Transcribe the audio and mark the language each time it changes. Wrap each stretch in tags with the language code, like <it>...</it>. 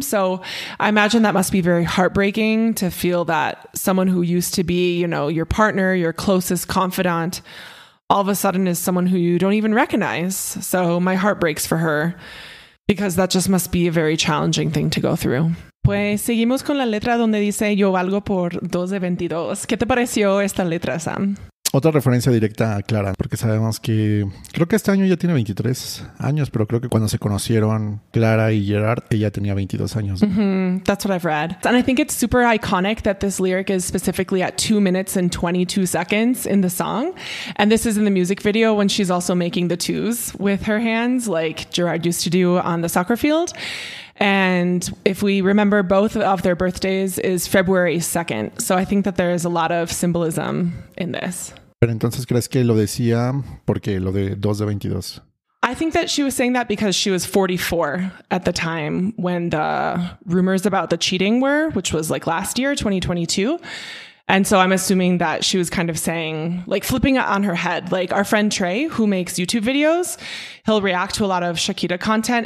<en>So I imagine that must be very heartbreaking to feel that someone who used to be, you know, your partner, your closest confidant, all of a sudden is someone who you don't even recognize. So my heart breaks for her because that just must be a very challenging thing to go through.</en> <es>Pues seguimos con la letra donde dice yo valgo por 2 de 22. ¿Qué te pareció esta letra, Sam? Otra referencia directa a Clara, porque sabemos que creo que este año ya tiene 23 años, pero creo que cuando se conocieron Clara y Gerard, ella tenía 22 años.</es> <en>Mm-hmm. That's what I've read. And I think it's super iconic that this lyric is specifically at 2 minutes and 22 seconds in the song. And this is in the music video when she's also making the twos with her hands, like Gerard used to do on the soccer field. And if we remember, both of their birthdays is February 2nd. So I think that there is a lot of symbolism in this.</en> <es>Pero entonces, ¿crees que lo decía porque lo de 2 de 22?</es> <en>I think that she was saying that because she was 44 at the time when the rumors about the cheating were, which was like last year, 2022. And so I'm assuming that she was kind of saying, like flipping it on her head. Like our friend Trey, who makes YouTube videos, he'll react to a lot of Shakira content.</en>